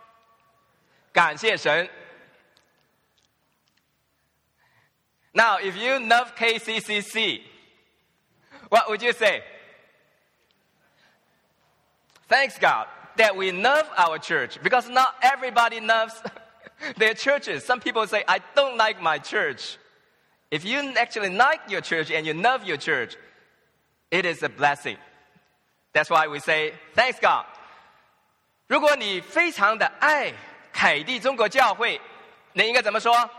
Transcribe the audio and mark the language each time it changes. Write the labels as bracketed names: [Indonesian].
[Chinese] 如果你作为爸爸或者儿子的，你和自己的父亲或者自己的儿子呢，有着一个好像好朋友的关系。不但如此，你的爸爸或者你作为爸爸的，你敬畏神，而且你不但教导神的话语，你还可以活出神的话语作为你的儿子的好榜样。这样的一种关系，如果你有的话，你会怎么说？感谢神。 [English] Now, if you love KCCC, what would you say? Thanks God that we love our church, because not everybody loves their churches. Some people say, I don't like my church. If you actually like your church and you love your church, it is a blessing. That's why we say, thanks God. [Chinese] 如果你非常的爱凯蒂中国教会，你应该怎么说？